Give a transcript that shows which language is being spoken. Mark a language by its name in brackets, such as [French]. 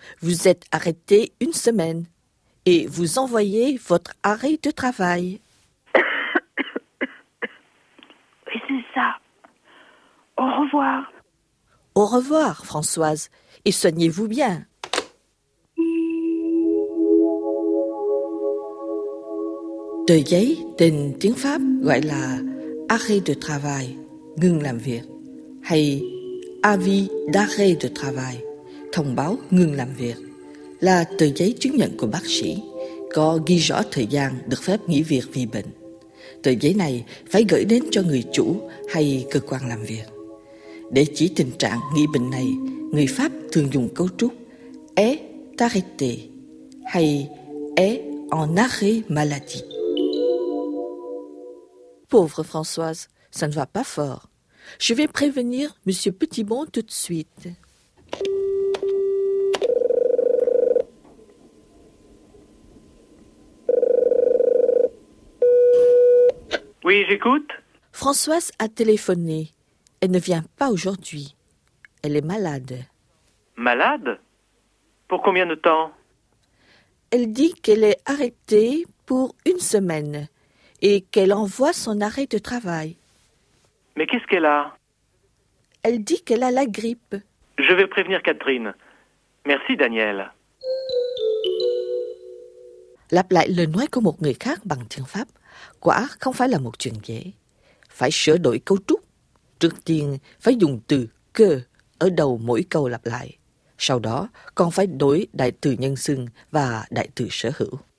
[French] Vous êtes arrêté une semaine et vous envoyez votre arrêt de travail. Oui, c'est ça. Au revoir. Au revoir, Françoise, et soignez-vous bien. [Vietnamese] Tờ giấy tên tiếng Pháp gọi là [French] arrêt de travail, [Vietnamese] ngừng làm việc, hay [French] avis d'arrêt de travail, [Vietnamese] thông báo ngừng làm việc, là tờ giấy chứng nhận của bác sĩ, có ghi rõ thời gian được phép nghỉ việc vì bệnh. Tờ giấy này phải gửi đến cho người chủ hay cơ quan làm việc. Để chỉ tình trạng nghỉ bệnh này, người Pháp thường dùng cấu trúc [French] est arrêté [Vietnamese] hay [French] est en arrêt maladie. Pauvre Françoise, ça ne va pas fort. Je vais prévenir Monsieur Petitbon tout de suite. Oui, j'écoute. Françoise a téléphoné. Elle ne vient pas aujourd'hui. Elle est malade. Malade? Pour combien de temps? Elle dit qu'elle est arrêtée pour une semaine et qu'elle envoie son arrêt de travail. Mais qu'est-ce qu'elle a ? Elle dit qu'elle a la grippe. Je vais prévenir Catherine. Merci, Daniel. [Vietnamese] Lặp lại lời nói của một người khác bằng tiếng Pháp quả không phải là một chuyện dễ. Phải sửa đổi cấu trúc. Trước tiên, phải dùng từ que ở đầu mỗi câu lặp lại. Sau đó, còn phải đổi đại từ nhân xưng và đại từ sở hữu.